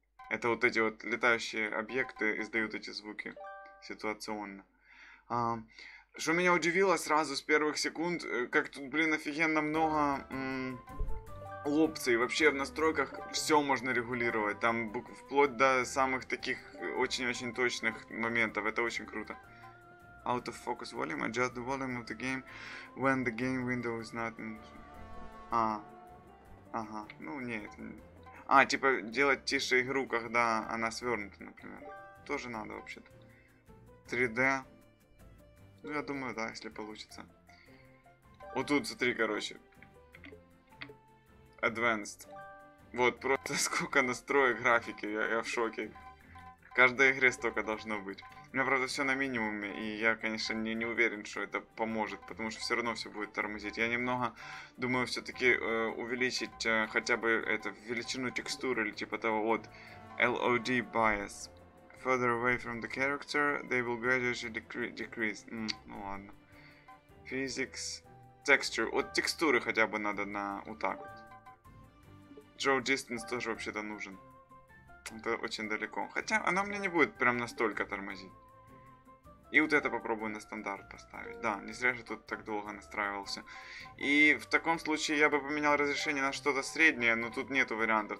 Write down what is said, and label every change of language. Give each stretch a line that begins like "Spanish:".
Russian: Это вот эти вот летающие объекты издают эти звуки ситуационно. Что меня удивило сразу с первых секунд, как тут, блин, офигенно много опций. Вообще в настройках все можно регулировать. Там вплоть до самых таких очень-очень точных моментов. Это очень круто.
English: Out of focus volume, adjust the volume of the game when the game window is not...
Russian: Ага, ну нет. А, типа делать тише игру, когда она свернута, например. Тоже надо вообще-то. 3D. Ну, я думаю, да, если получится. Вот тут, смотри, короче.
English: Advanced.
Russian: Вот, просто сколько настроек графики, я в шоке. В каждой игре столько должно быть. У меня, правда, все на минимуме, и я, конечно, не уверен, что это поможет, потому что все равно все будет тормозить. Я немного думаю все-таки увеличить хотя бы это величину текстуры, или типа того, вот, LOD bias.
English: Further away from the character, they will gradually decrease.
Russian: Ну ладно. Physics. Texture. Вот текстуры хотя бы надо на вот так вот. Draw distance тоже вообще-то нужен. Это очень далеко. Хотя она мне не будет прям настолько тормозить. И вот это попробую на стандарт поставить. Да, не зря же тут так долго настраивался. И в таком случае я бы поменял разрешение на что-то среднее, но тут нету вариантов.